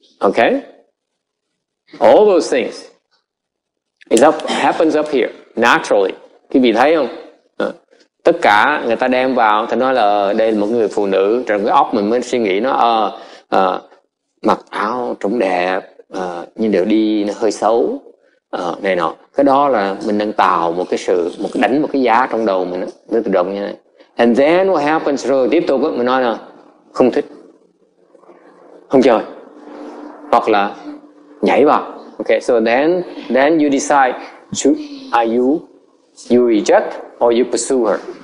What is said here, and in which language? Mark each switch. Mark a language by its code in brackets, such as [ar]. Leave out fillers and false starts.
[en] Okay, all those things happens up here naturally. [vi] Quý vị thấy không? Tất cả người ta đem vào, thì nói là đây là một người phụ nữ, trong cái óc mình mới suy nghĩ nó mặc áo trông đẹp, nhưng đều đi nó hơi xấu, này nọ. Cái đó là mình đang tạo một cái sự, một đánh một cái giá trong đầu mình đó, tự động như này. [en] And then what happens, [vi] rồi tiếp tục đó, mình nói là không thích, không chơi, hoặc là nhảy vào. [en] Ok, so then you decide, you reject or you pursue her.